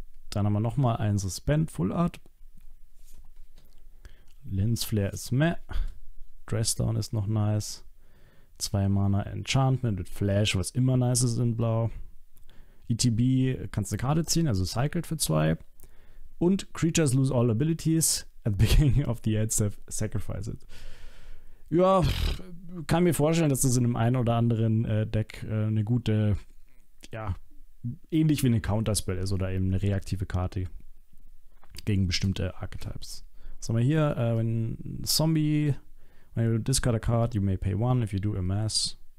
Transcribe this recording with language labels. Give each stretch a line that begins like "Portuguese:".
German: Dann haben wir nochmal einen Suspend Full Art. Lens Flare ist meh. Dressdown ist noch nice. 2 Mana Enchantment mit Flash, was immer nice ist in Blau. ETB kannst du eine Karte ziehen, also Cycled für 2. Und
English: Creatures lose all abilities at the beginning of the end step, sacrifice it.
German: Ja, kann mir vorstellen, dass das in einem ein oder anderen Deck eine gute, ja, ähnlich wie eine Counterspell ist oder eben eine reaktive Karte gegen bestimmte Archetypes. Was haben wir hier? Wenn
English: Zombie, when you discard a card, you may pay 1 if you do a mass.